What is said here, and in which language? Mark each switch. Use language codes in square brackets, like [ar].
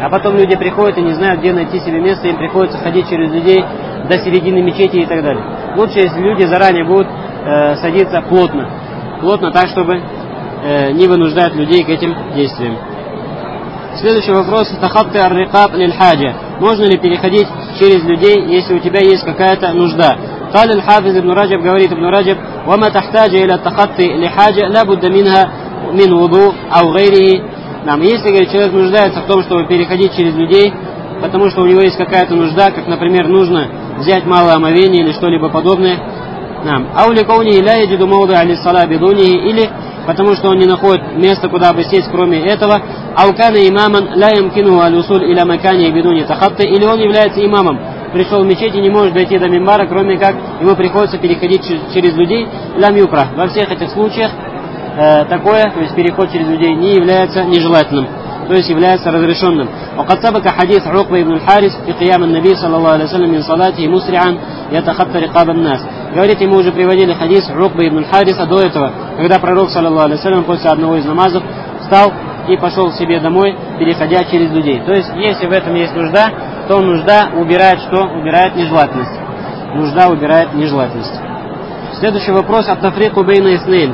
[ru] А потом люди приходят и не знают, где найти себе место, им приходится ходить через людей до середины мечети и так далее. Лучше, если люди заранее будут садиться плотно. Плотно так, чтобы не вынуждать людей к этим действиям. Следующий вопрос. [ar] Тахатти ар-рикаб лиль-хаджа. [ru] Можно ли переходить через людей, если у тебя есть какая-то нужда? [ar] قال الحافظ ابن رجب [ru] говорит [ar] ابن رجب وما تحتاج الى التخطي لحاجه لا بد منها من وضوء او غيره. [ru] Нам если говорит, человек нуждается в том, чтобы переходить через людей, потому что у него есть какая-то нужда, как, например, нужно взять малое омовение или что-либо подобное. Нам [ar] او لكونه لا يجد موضعا للصلاه بدونه, [ru] или потому что он не находит места, куда бы сесть, кроме этого. [ar] او كان اماما لا يمكنه الوصول الى مكانه بدون تخطي, [ru] или он является имамом, пришел в мечеть и не может дойти до мимбара, кроме как ему приходится переходить через людей, [ar] лям юкра. [ru] Во всех этих случаях такое, то есть переход через людей, не является нежелательным, то есть является разрешенным. [ar] وقد سبق حديث عقبة بن الحارث في قيام النبي صلى الله عليه وسلم من صلاته مسرعا يتخطى رقاب الناس. [ru] Говорит, ему уже приводили хадис عقبة بن الحارث до этого, когда пророк صلى الله عليه وسلم после одного из намазов встал и пошел себе домой, переходя через людей. То есть, если в этом есть нужда, то нужда убирает что? Убирает нежелательность. Нужда убирает нежелательность. Следующий вопрос. [ar] От Тафрику Бейна Иснейн.